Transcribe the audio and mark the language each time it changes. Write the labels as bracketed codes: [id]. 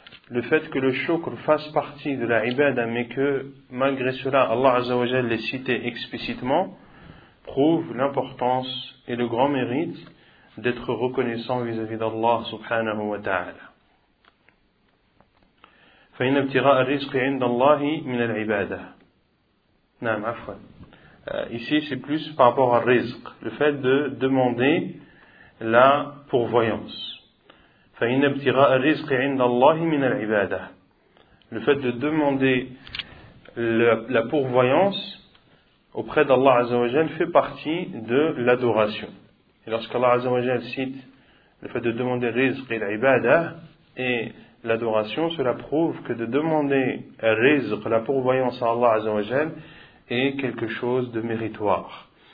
[fr] Le fait que le shukr fasse partie de l'ibada, mais que malgré cela Allah Azza wa Jalla l'ait cité explicitement, prouve l'importance et le grand mérite d'être reconnaissant vis-à-vis d'Allah subhanahu wa ta'ala. [ar] فإن ابتغاء الرزق عند الله من العبادة. نعم عفوا. [fr] Ici c'est plus par rapport au rizq, le fait de demander la pourvoyance. [ar] فإن ابتغاء الرزق عند الله من العبادة. [fr] Le fait de demander la pourvoyance auprès d'Allah Azza wa Jalla fait partie de l'adoration. Et lorsqu'Allah Azza wa Jalla cite le fait de demander rizq et l'ibada et l'adoration, cela prouve que de demander rizq, la pourvoyance à Allah Azza wa Jal, est quelque chose de méritoire.